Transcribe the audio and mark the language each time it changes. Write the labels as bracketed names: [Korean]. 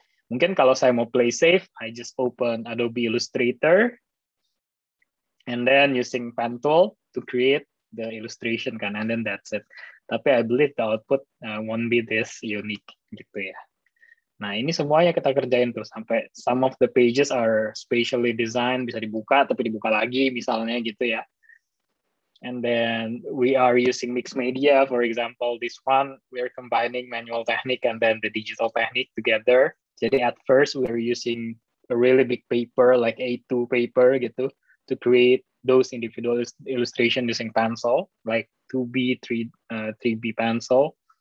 [Indonesian] Mungkin kalau saya mau [English] play safe, I just open Adobe Illustrator, and then using pen tool to create the illustration kan, and then that's it. Tapi I believe the output won't be this unique gitu ya. [Indonesian] Nah, ini semuanya kita kerjain tuh, sampai [English] some of the pages are specially designed, [Indonesian] bisa dibuka, tapi dibuka lagi, misalnya gitu ya. [English] And then, we are using mixed media, for example, this one, we are combining manual technique and then the digital technique together. Jadi, at first, we are using a really big paper, like A2 paper gitu, to create those individual illustration using pencil, like 2B, 3B pencil.